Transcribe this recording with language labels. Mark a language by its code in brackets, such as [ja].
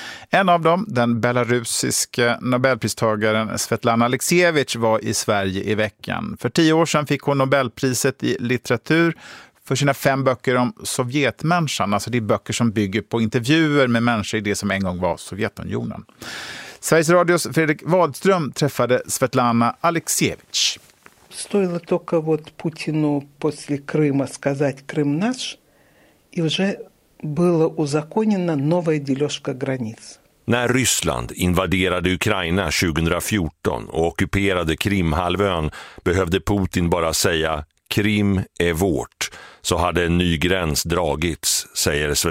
[sv] En av dem, den belarusiska Nobelpristagaren Svetlana Aleksejevich, var i Sverige i veckan. För 10 år sedan fick hon Nobelpriset i litteratur för sina 5 böcker om sovjetmänniskan. Alltså det är böcker som bygger på intervjuer med människor i det som en gång var Sovjetunionen. Sveriges Radios Fredrik Wahlström träffade Svetlana Aleksejevich. [ru] Стоило только вот Путину после Крыма сказать Крым наш, и уже было узаконено новая дележка границ. [sv] När Ryssland invaderade Ukraina 2014 och ockuperade Krimhalvön behövde Putin bara säga Krim är vårt, så hade en ny gräns dragits, säger Svetlana.